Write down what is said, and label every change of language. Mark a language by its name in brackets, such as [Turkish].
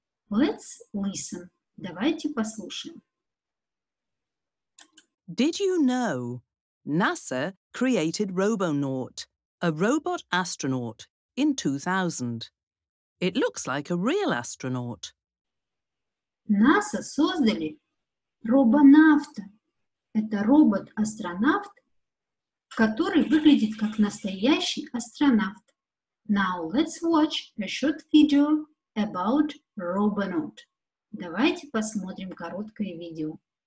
[English] Let's listen. [Russian] Давайте послушаем. [English] Did you know NASA created Robonaut, a robot astronaut, in 2000? It looks like a real astronaut. [Russian] NASA создали робонавта. Это робот-астронавт, который выглядит как настоящий астронавт. [English] Now let's watch a short video about Robonaut. [Russian] Давайте посмотрим короткое видео.